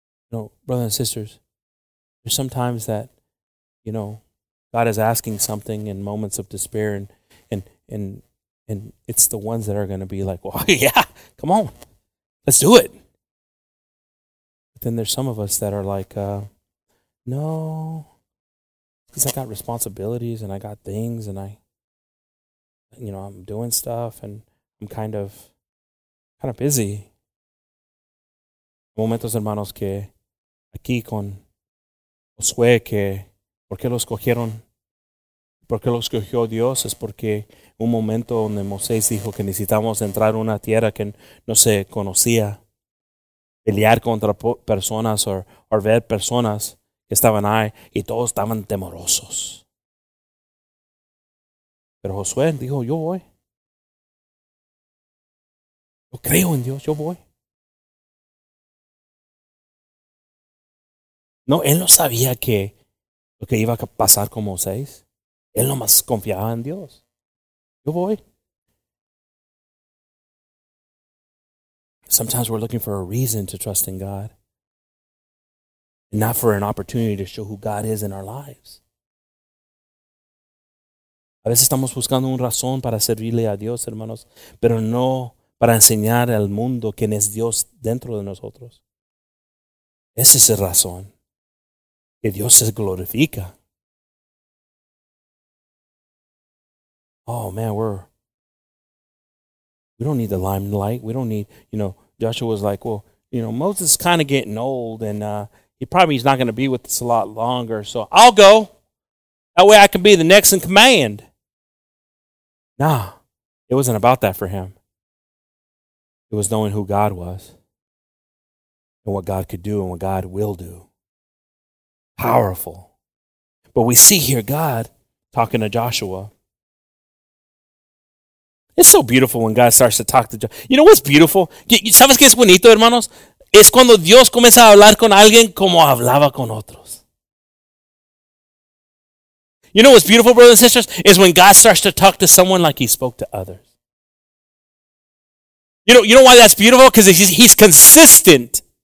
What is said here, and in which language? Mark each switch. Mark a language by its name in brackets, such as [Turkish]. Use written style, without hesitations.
[English] You know, brothers and sisters, there's sometimes that, you know, God is asking something in moments of despair, and it's the ones that are going to be like, well, yeah, come on, let's do it. But then there's some of us that are like, no, because I got responsibilities and I got things and I, you know, I'm doing stuff and I'm kind of busy. [Spanish] Momentos, hermanos, que aquí con Josué, que por qué lo escogieron, por qué lo escogió Dios, es porque un momento donde Moisés dijo que necesitamos entrar a una tierra que no se conocía, pelear contra personas o ver personas que estaban ahí y todos estaban temerosos. Pero Josué dijo, yo voy. Yo creo en Dios, yo voy. No, él no sabía que lo que iba a pasar con Moisés. Él nomás confiaba en Dios. Yo voy. [English] Sometimes we're looking for a reason to trust in God, not for an opportunity to show who God is in our lives. [Spanish] A veces estamos buscando una razón para servirle a Dios, hermanos, pero no para enseñar al mundo quién es Dios dentro de nosotros. Esa es la razón. Que Dios se glorifica. [English] Oh, man, we don't need the limelight. We don't need, you know, Joshua was like, well, you know, Moses is kind of getting old, and he probably is not going to be with us a lot longer, so I'll go. That way I can be the next in command. Nah, it wasn't about that for him. It was knowing who God was and what God could do and what God will do. Powerful. But we see here God talking to Joshua. It's so beautiful when God starts to talk to Joshua. You know what's beautiful? [Spanish] ¿Sabes qué es bonito, hermanos? Es cuando Dios comienza a hablar con alguien como hablaba con otros. [English] You know what's beautiful, brothers and sisters? Is when God starts to talk to someone like he spoke to others. You know why that's beautiful? Because he's consistent.